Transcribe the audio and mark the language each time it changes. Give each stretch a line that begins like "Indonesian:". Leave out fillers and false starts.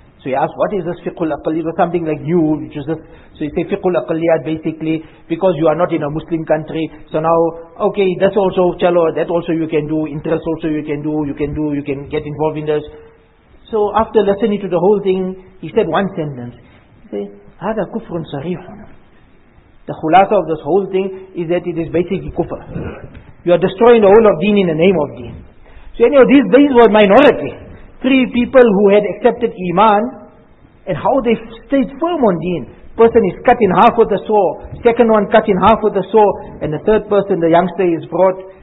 English: So he asked, what is this Fiqhul Aqalliyat? Something like new, which is this. So he said, Fiqhul Aqalliyat basically, because you are not in a Muslim country, so now, okay, that's also, chalo, that also you can do, interest also you can do, you can do, you can get involved in this. So after listening to the whole thing, he said one sentence. He said,
Arabic: هذا كفر صريح.
English: The khulasa of this whole thing is that it is basically kufr. You are destroying the whole of deen in the name of deen. So anyhow, these were minority. Three people who had accepted iman, and how they stayed firm on deen. Person is cut in half with a saw, second one cut in half with a saw, and the third person, the youngster, is brought.